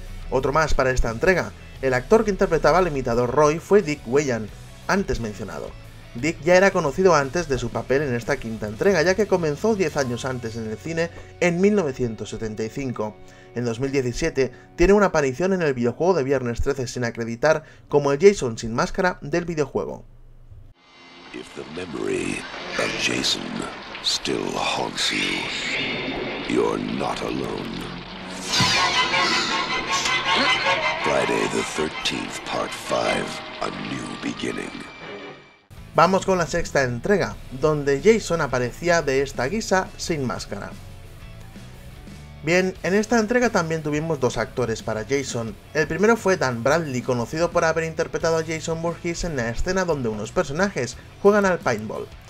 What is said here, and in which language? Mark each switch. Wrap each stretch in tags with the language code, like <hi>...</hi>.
<es>Otro más para esta entrega. El actor que interpretaba al imitador Roy fue Dick Whelan, antes mencionado. Dick ya era conocido antes de su papel en esta quinta entrega, ya que comenzó 10 años antes en el cine en 1975. En 2017 tiene una aparición en el videojuego de Viernes 13 sin acreditar como el Jason sin máscara del videojuego.</es> <en>If the memory of Jason still haunts you, you're not alone. Friday the 13th, part 5, a new beginning.</en> <es>Vamos con la sexta entrega, donde Jason aparecía de esta guisa sin máscara. Bien, en esta entrega también tuvimos dos actores para Jason. El primero fue Dan Bradley, conocido por haber interpretado a Jason Voorhees en la escena donde unos personajes juegan al paintball.</es>